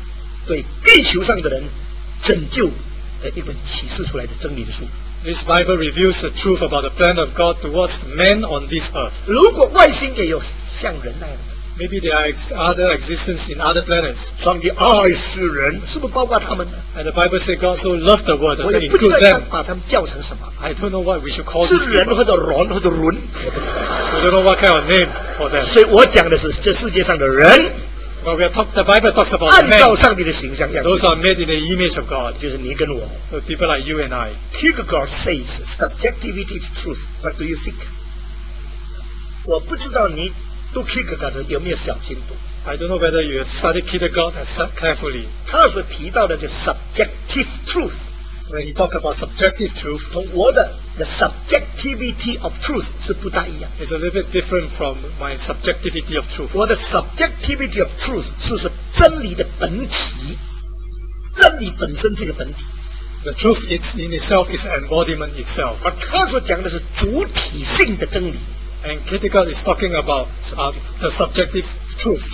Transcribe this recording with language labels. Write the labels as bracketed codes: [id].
[zh] 这本圣经是论到神在这个世界上对地球上的人 拯救的一本启示出来的真理的书。 [en] This Bible reveals the truth about the plan of God towards men on this earth. [zh] 如果外星也有像人那样的， [en] maybe there are other existence in other planets. [zh] 上帝爱世人， 是不是包括他们呢？ [en] And the Bible says God so loved the world, doesn't include them. [zh] 我也不知道把他们叫成什么。 [en] I don't know what we should call them. [zh] 是人或者人或者轮。 [en] I don't know what kind of name for them. [zh] 所以我讲的是这世界上的人。 [en] Well, we talk, the Bible talks about men. [zh] 按照上帝的形象样子, [en] those are made in the image of God. [zh] 就是你跟我, [en] so people like you and I. Kierkegaard says, subjectivity is truth. What do you think? [zh] 我不知道你读 Kierkegaard 有没有小心读。 [en] I don't know whether you have studied Kierkegaard carefully. [zh] 他所提到的就是 [en] subjective truth. When he talked about subjective truth, [zh] 同我的, [en] the subjectivity of truth [zh] 是不大一样, [en] is a little bit different from my subjectivity of truth. [zh] 我的 [en] subjectivity of truth [zh] 是真理的本体, 真理本身是个本体。 [en] The truth is in itself is embodiment itself. [zh] 而他所讲的是主体性的真理。 [en] And Kierkegaard is talking about the subjective truth.